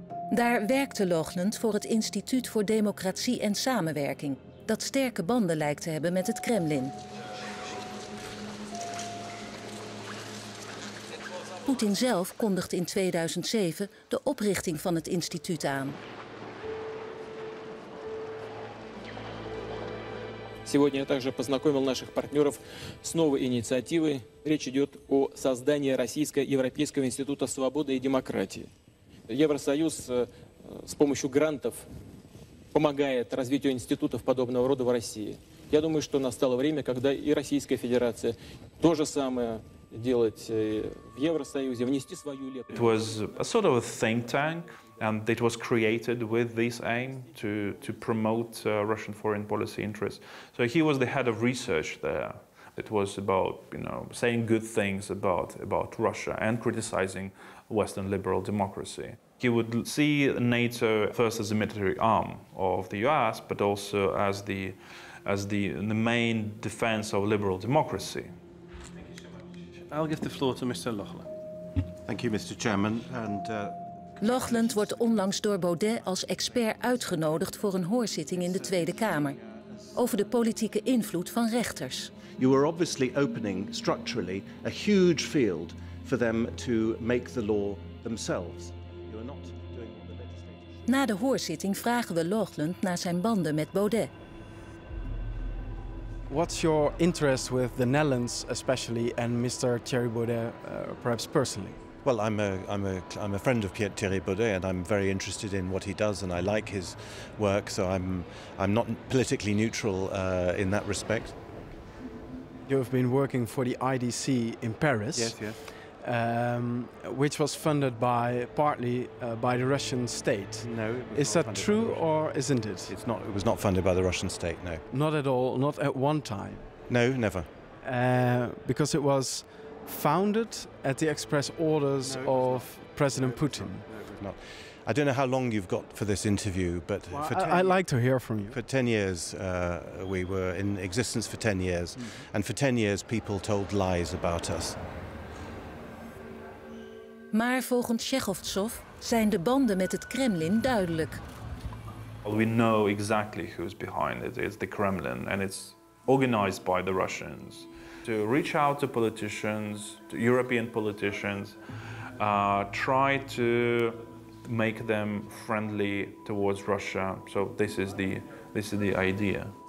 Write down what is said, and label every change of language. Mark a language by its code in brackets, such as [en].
[nl] Daar werkte Loughland voor het Instituut voor Democratie en Samenwerking, dat sterke banden lijkt te hebben met het Kremlin. Poetin zelf kondigt in 2007 de oprichting van het instituut aan. [ru] Сегодня я также познакомил наших партнеров с новой инициативой. Речь идет о создании Российско-Европейского института свободы и демократии. Евросоюз с помощью грантов помогает развитию институтов подобного рода в России. Я думаю, что настало время, когда и Российская Федерация то же самое делает в Евросоюзе, внести свою лепту. [en] It was a sort of a think tank, and it was created with this aim to promote Russian foreign policy interests. So he was the head of research there. It was about, you know, saying good things about Russia and criticizing Western liberal democracy. He would see NATO first as a military arm of the US, but also as the main defense of liberal democracy. Thank you so much. I'll give the floor to Mr. Loughland. Thank you, Mr. Chairman. And [nl] Loughland wordt onlangs door Baudet als expert uitgenodigd voor een hoorzitting in de Tweede Kamer over de politieke invloed van rechters. [en] You are obviously opening structurally a huge field for them to make the law themselves. You are not doing what the legislature should. [nl] Na de hoorzitting vragen we Loughland naar zijn banden met Baudet. [en] What's your interest with the Netherlands especially and Mr. Thierry Baudet perhaps personally? Well, I'm a friend of Pierre Thierry Baudet, and I'm very interested in what he does, and I like his work. So I'm not politically neutral in that respect. You have been working for the IDC in Paris, yes, which was funded partly by the Russian state. No, is that true or isn't it? It was not funded by the Russian state. No. Not at all. Not at one time. No, never. Because it was founded at the express orders of President Putin. I don't know how long you've got for this interview, but I'd like to hear from you. For 10 years, we were in existence for 10 years, and for 10 years people told lies about us. [nl] Maar volgens Shekhovtsov zijn de banden met het Kremlin duidelijk. [en] Well, we know exactly who's behind it. It's the Kremlin, and it's organized by the Russians. To reach out to politicians, to European politicians, try to make them friendly towards Russia. So this is the idea.